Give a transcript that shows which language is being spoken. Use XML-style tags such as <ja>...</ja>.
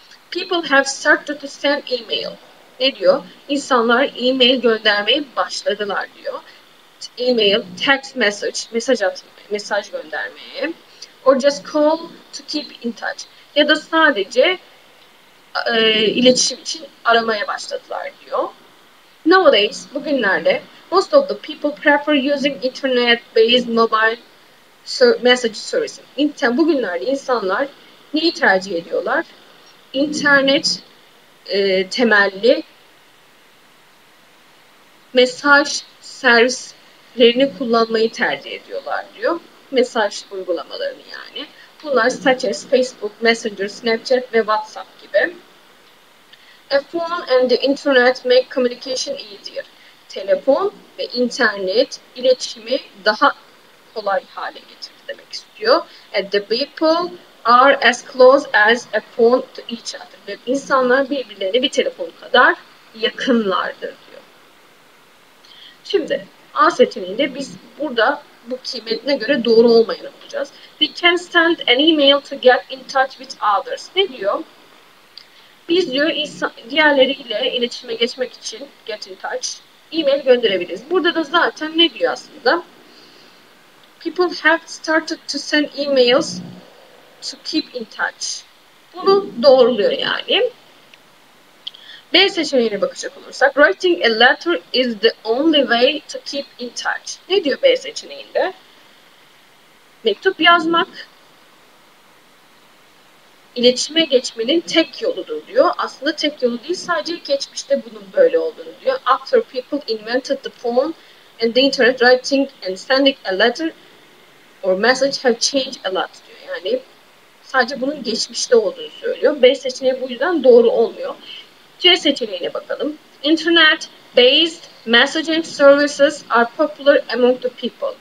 <en>People have started to send email.</en> <tr>Ne diyor? İnsanlar e-mail göndermeye başladılar diyor. E-mail, text message, mesaj atmaya, mesaj göndermeye.</tr> <en>Or just call to keep in touch.</en> <tr>Ya da sadece iletişim için aramaya başladılar diyor.</tr> <en>Nowadays,</en> <tr>bugünlerde,</tr> <en>most of the people prefer using internet-based mobile message services.</en> <tr>Bugünlerde insanlar neyi tercih ediyorlar? İnternet temelli mesaj servislerini kullanmayı tercih ediyorlar diyor. Mesaj uygulamalarını yani. Bunlar</tr> <en>such as</en> <tr>Facebook, Messenger, Snapchat ve WhatsApp gibi.</tr> <en>A phone and the internet make communication easier.</en> <tr>Telefon ve internet iletişimi daha kolay hale getirir demek istiyor.</tr> <en>And the people are as close as a phone to each other.</en> <tr>Ve insanlar birbirlerine bir telefon kadar yakınlardır diyor. Şimdi A seçeneğinde biz burada bu kimetine göre doğru olmayanı bulacağız.</tr> <en>We can send an email to get in touch with others.</en> <tr>Ne diyor? Biz diyor diğerleriyle iletişime geçmek için</tr> <en>get in touch</en> <tr>e-mail gönderebiliriz. Burada da zaten ne diyor aslında?</tr> <en>People have started to send emails to keep in touch.</en> <tr>Bunu doğruluyor yani. B seçeneğine bakacak olursak,</tr> <en>writing a letter is the only way to keep in touch.</en> <tr>Ne diyor B seçeneğinde? Mektup yazmak iletişime geçmenin tek yoludur diyor. Aslında tek yolu değil, sadece geçmişte bunun böyle olduğunu diyor.</tr> <en>After people invented the phone and the internet, writing and sending a letter or message have changed a lot</en> <tr>diyor. Yani sadece bunun geçmişte olduğunu söylüyor. B seçeneği bu yüzden doğru olmuyor. C seçeneğine bakalım.</tr> <en>Internet-based messaging services are popular among the people.</en>